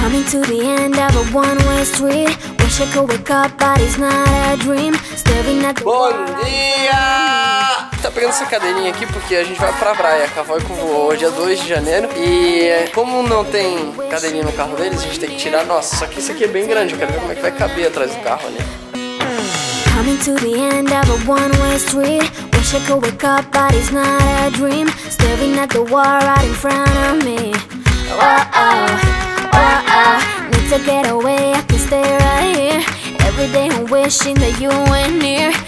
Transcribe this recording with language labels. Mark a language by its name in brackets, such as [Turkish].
[English] To the end of a one-way street. Wish I could wake up, but it's not a dream. Staring at the [Portuguese] bom dia! Tá pegando essa cadeirinha aqui porque a gente vai pra praia com a vó e com o vô. Hoje é 2 de janeiro e como não tem cadeirinha no carro deles, a gente tem que tirar. Nossa, só que isso aqui é bem grande, eu quero ver como é que vai caber atrás do carro ali. [English] Coming to the end of a one-way street. Wish I could wake up, but it's not a dream. Staring at the wall right in front of me. Oh, oh. Need to get away, I can stay right here. Every day I'm wishing that you weren't near.